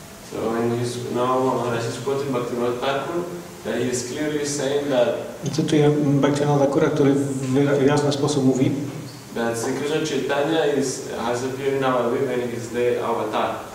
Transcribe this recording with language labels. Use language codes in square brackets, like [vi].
[en] So in his, now Maharaj is quoting Bhaktivinoda Thakur, that he is clearly saying that [pl] cytuję Bhaktivinoda Thakura, który w jasny sposób mówi [en] that Sri Krishna Chaitanya is, has appeared in our life and is the avatar.